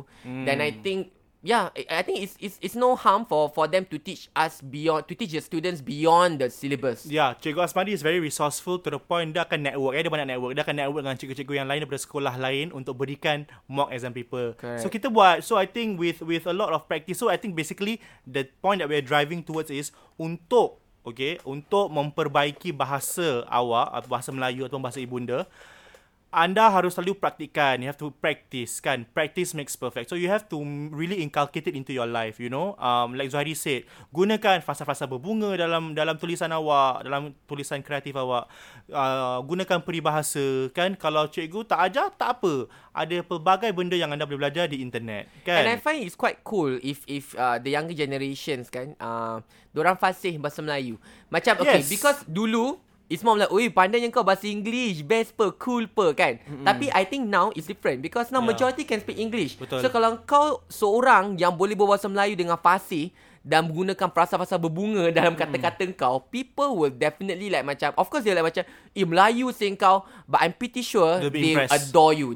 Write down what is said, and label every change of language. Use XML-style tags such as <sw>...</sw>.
<en>Then I think, yeah, I think it's no harm for them to teach us beyond, to teach the students beyond the syllabus. Yeah, Cikgu Asmadi is very resourceful to the point</en> <ms>dia akan network. Dia banyak network. Dia akan network dengan cikgu-cikgu yang lain daripada sekolah lain untuk berikan mock exam paper.</ms> <en>Okay. So</en> <ms>kita buat,</ms> <en>so I think with a lot of practice. So I think basically the point that we are driving towards is untuk, okay,</en> <ms>untuk memperbaiki bahasa awak, atau bahasa Melayu atau bahasa ibunda, anda harus selalu praktikan.</ms> <en>You have to practice, kan? Practice makes perfect. So, you have to really inculcate it into your life, you know? Like Zuhairi said,</en> <ms>gunakan frasa-frasa berbunga dalam tulisan awak, dalam tulisan kreatif awak. Gunakan peribahasa, kan? Kalau cikgu tak ajar, tak apa. Ada pelbagai benda yang anda boleh belajar di internet, kan?</ms> <en>And I find it's quite cool if the younger generations, kan?</en> <ms>Diorang fasih bahasa Melayu. Macam, okay,</ms> <en>yes. Because</en> <ms>dulu,</ms> <en>it's more like,</en> <ms>oi, pandainya kau bahasa English, best per, cool per, kan? Mm-hmm. Tapi</ms> <en>I think now it's different because now majority can speak English.</en> <ms>Betul. So kalau kau seorang yang boleh berbahasa Melayu dengan fasih dan menggunakan frasa-frasa berbunga dalam kata-kata kau,</ms> <en>people will definitely like macam, of course, they're like macam, Melayu sing kau, but I'm pretty sure they adore you.</en>